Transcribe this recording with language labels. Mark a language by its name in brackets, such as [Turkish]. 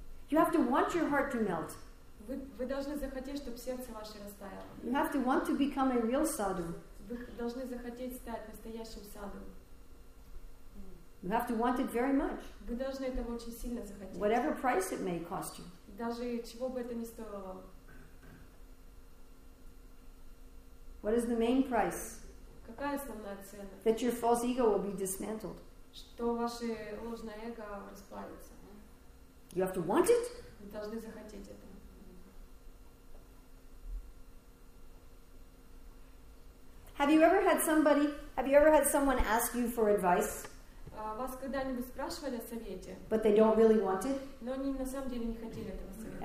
[English] You have to want your heart to melt. [Russian] Вы должны захотеть, чтобы сердце ваше растаяло. [English] You have to want to become a real sadhu. [Russian] Вы должны захотеть стать настоящим садом. [English] You have to want it very much. [Russian] Вы должны этого очень сильно захотеть. [English] Whatever price it may cost you. [Russian] Даже чего бы это ни стоило вам. [English] What is the main price? [Russian] Какая основная цена? [English] That your false ego will be dismantled. [Russian] Что ваше ложное эго расплавится. [English] You have to want it. [Russian] Вы должны захотеть это. [English] Have you ever had someone ask you for advice? [Russian] Вас когда-нибудь спрашивали о совете? [English] But they don't really want it. [Russian] Но они на самом деле не хотели этого совета.